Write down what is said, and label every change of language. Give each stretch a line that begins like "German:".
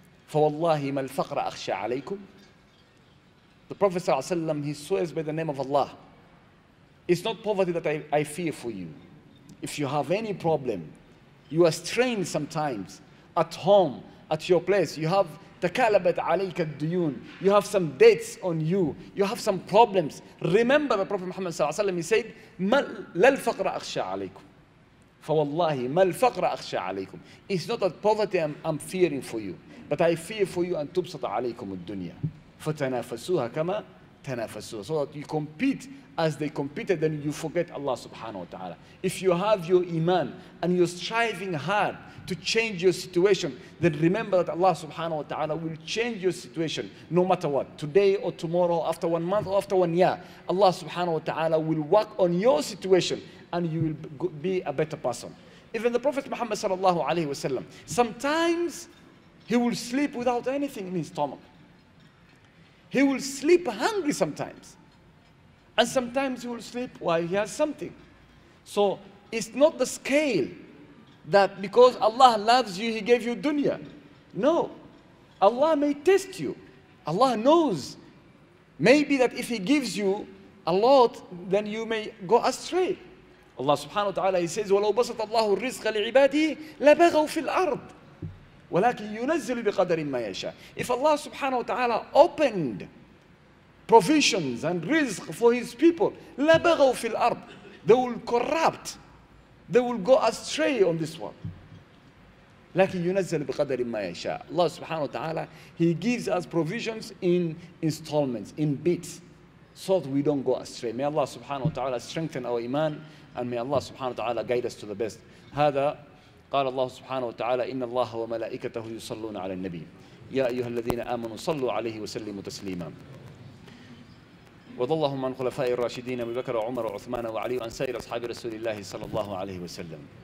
Arabic: فَوَاللَّهِ مَا الْفَقْرَ أَخْشَى عَلَيْكُمْ.
English: The Prophet ﷺ, he swears by the name of Allah, it's not poverty that I fear for you. If you have any problem, you are strained sometimes at home, at your place. You have
Arabic: تكالبت عليك الديون.
English: You have some debts on you. You have some problems. Remember the Prophet Muhammad
Arabic: صلى الله عليه وسلم.
English: He said,
Arabic: لا الفقر أخشى عليكم. فوالله ما الفقر أخشى عليكم.
English: It's not that poverty I'm fearing for you. But I fear for you
Arabic: أن تبسط عليكم الدنيا. فتنافسوها كما تنافسوها.
English: So that you compete as they competed, then you forget Allah subhanahu wa ta'ala. If you have your iman and you're striving hard to change your situation, then remember that Allah subhanahu wa ta'ala will change your situation no matter what. Today or tomorrow, after 1 month or after 1 year, Allah subhanahu wa ta'ala will work on your situation and you will be a better person. Even the Prophet Muhammad sallallahu alayhi wa sallam, sometimes he will sleep without anything in his stomach. He will sleep hungry sometimes. And sometimes he will sleep while he has something. So it's not the scale that because Allah loves you, he gave you dunya. No. Allah may test you. Allah knows. Maybe that if he gives you a lot, then you may go astray.
Arabic: Allah subhanahu wa ta'ala, he says, وَلَوْ بَسَطَ اللَّهُ الرِّزْقَ لِعِبَادِهِ لَبَغَوْ فِي الْأَرْضِ ولكن ينزل بقدر ما يشاء.
English: If Allah subhanahu wa ta'ala opened provisions and rizq for his people,
Arabic: لَبَغَوْ فِي الْأَرْضِ,
English: they will corrupt, they will go astray on this world.
Arabic: لكن ينزل بقدر ما يشاء.
English: Allah subhanahu wa ta'ala, he gives us provisions in installments, in bits, so that we don't go astray. May Allah subhanahu wa ta'ala strengthen our iman, and may Allah subhanahu wa ta'ala guide us to the best.
Arabic: هذا قال الله سبحانه وتعالى إن الله وملائكته يصلون على النبي يا أيها الذين آمنوا صلوا عليه وسلموا تسليما وضل اللهم عن خلفاء الراشدين أبي بكر وعمر وعثمان وعلي وعن سائر أصحاب رسول الله صلى الله عليه وسلم